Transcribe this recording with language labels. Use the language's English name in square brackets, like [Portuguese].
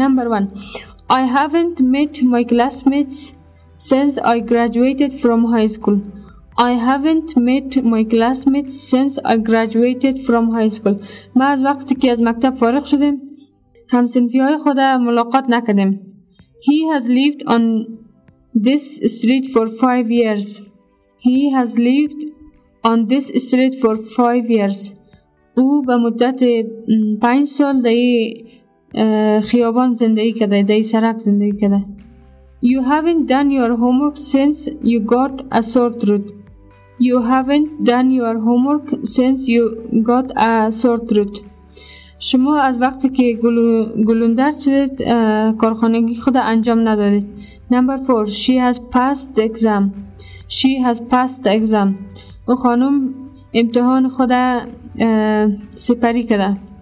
[English] Number 1. I haven't met my classmates since I graduated from high school. I haven't met my classmates since I graduated from high school. [Persian] ما از وقتی که از مکتب فارغ شدیم همسنفی های خود ملاقات نکردیم. [English] He has lived on this street for 5 years. He has lived on this street for 5 years. [Persian] او به مدت 5 سال در این خیابان زندگی کرده، در این سرک زندگی کرده. [English] You haven't done your homework since you got a sore throat. You haven't done your homework since you got a sore throat. [Persian] شما از وقتی که گلوندرد شدید کارخانگی خود انجام ندادید. [English] Number 4. She has passed the exam. She has passed the exam. [Persian] او خانم امتحان خود سپری کرده.